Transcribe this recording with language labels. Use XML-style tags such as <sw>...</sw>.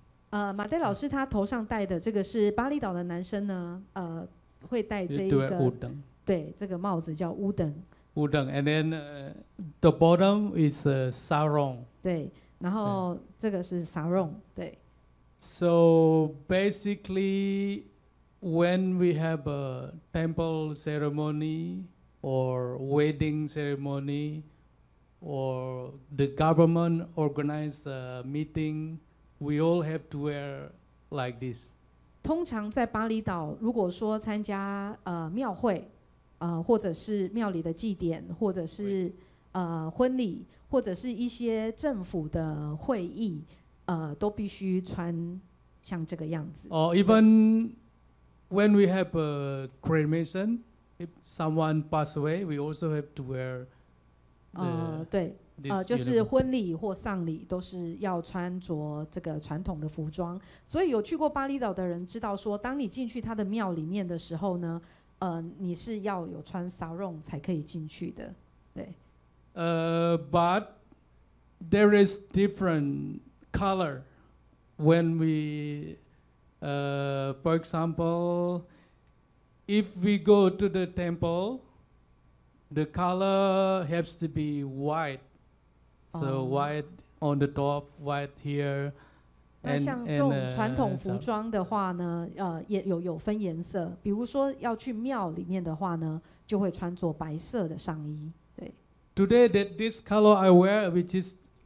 <zh>马代老师他头上戴的这个是巴厘岛的男生呢，会戴这一个</zh> <ban>udang.</ban> <zh>对，这个帽子叫udang.</zh> <en>Udang, and then the bottom is a sarong.</en> <zh>对，然后这个是 sarong. 对。</zh> <en>So basically, when we have a temple ceremony or wedding ceremony or the government organized a meeting, we all have to wear like this.</en> <zh>通常在巴厘岛，如果说参加庙会，或者是庙里的祭典，或者是婚礼，或者是一些政府的会议。都必须穿像这个样子。</zh> <en>Or even when we have a cremation, if someone pass away, we also have to wear.</en> <zh>对，就是婚礼或丧礼都是要穿着这个传统的服装。所以有去过巴厘岛的人知道说，当你进去他的庙里面的时候呢，你是要有穿sarong才可以进去的。对。</zh> <en>But there is different. Color when we, for example, if we go to the temple, the color has to be white. So white on the top, white here.</en> <zh>那像这种传统服装的话呢，也有分颜色。比如说要去庙里面的话呢，就会穿着白色的上衣。对。</zh> <en>Today that this color I wear, which is.</en>